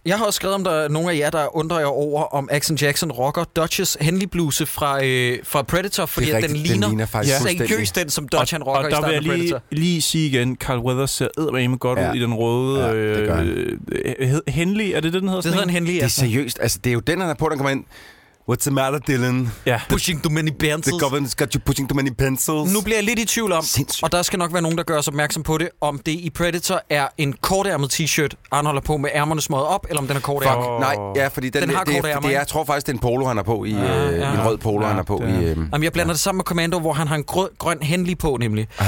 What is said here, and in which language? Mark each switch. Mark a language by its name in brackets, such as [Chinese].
[Danish] Jeg har også skrevet, om der er nogle af jer, der undrer jer over, om Action Jackson rocker Dutch's Henley Bluse fra Predator, fordi rigtigt, den ligner faktisk seriøst den, som Dutch han rocker i starten af Predator. Og der vil jeg lige sige igen, Carl Weathers ser eddermame godt ud i den røde... Henley, er det det, den hedder? Det hedder en Henley, det er seriøst. Altså, det er jo den, han er på, der kommer ind. [English] What's the matter, Dylan? Yeah. Pushing too many pencils. The government's got you pushing too many pencils. [Danish] Nu bliver jeg lidt i tvivl om, og der skal nok være nogen, der gør os opmærksom på det, om det i Predator er en kortærmet t-shirt, han holder på med ærmerne smøget op, eller om den er kortærmet. Fuck, nej. Ja, fordi den har kortærmer. Fordi jeg tror faktisk, det er en polo, han er på. En rød polo, han er på. Jamen, jeg blander det sammen med Commando, hvor han har en grøn Henley på, nemlig.